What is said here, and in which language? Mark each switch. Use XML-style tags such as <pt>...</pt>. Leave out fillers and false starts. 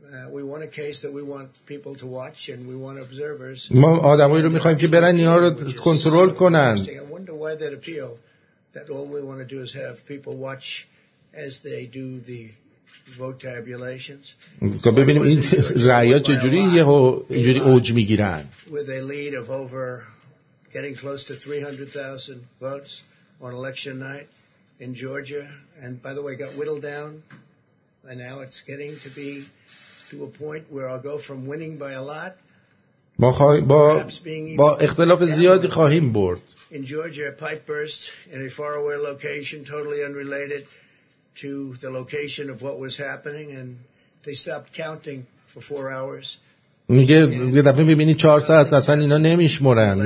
<en>We want a case that we want people to watch and we want observers.</en> <fa>ما آدمایی رو میخوایم که برن اینا رو کنترل کنن.</fa> <en>I wonder why that appeal. That all we want to do is have people watch as they do the vote tabulations.</en> <fa>تا ببینیم این رأی ها چجوری اینجوری اوج میگیرن.</fa> <en>With a lead of over getting close to 300,000 votes on election night in Georgia, and by the way, got whittled down, and now it's getting to be to a point where I'll go from winning by a lot.</en> <fa>با اختلاف زیادی خواهیم برد.</fa> <en>In Georgia, a pipe burst in a faraway location, totally unrelated to the location of what was happening, and they stopped counting for 4 hours.</en> <fa>میگه یه دفعه میبینی 4 ساعت اصلا اینا نمیشمرن.</fa>